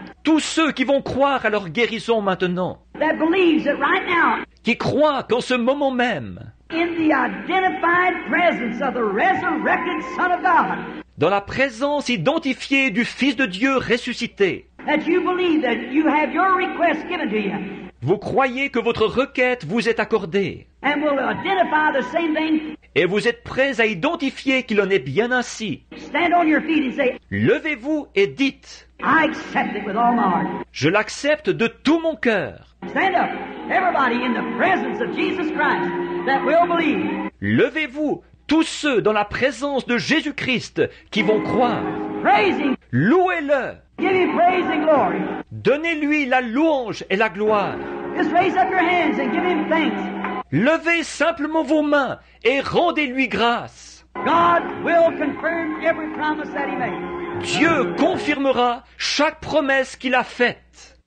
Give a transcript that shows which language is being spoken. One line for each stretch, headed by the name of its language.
French: Tous ceux qui vont croire à leur guérison maintenant.
English: That believes it right now.
French: Qui croient qu'en ce moment même.
English: In the identified presence of the resurrected Son of God.
French: Dans la présence identifiée du Fils de Dieu ressuscité.
English: That you believe that you have your request given to you.
French: Vous croyez que votre requête vous est accordée.
English: And we'll identify the same thing.
French: Et vous êtes prêts à identifier qu'il en est bien ainsi.
English: Stand on your feet and say,
French: levez-vous et dites.
English: I accept it with all my heart.
French: Je l'accepte de tout mon cœur.
English: Stand up, everybody, in the presence of Jesus Christ that will believe.
French: Levez-vous, tous ceux dans la présence de Jésus-Christ qui vont croire.
English: Praising.
French: Louez-le.
English: Give him praise and glory.
French: Donnez-lui la louange et la gloire.
English: Just raise up your hands and give him thanks.
French: Levez simplement vos mains et rendez-lui grâce.
English: God will confirm every promise that he made.
French: Dieu confirmera chaque promesse qu'il a faite.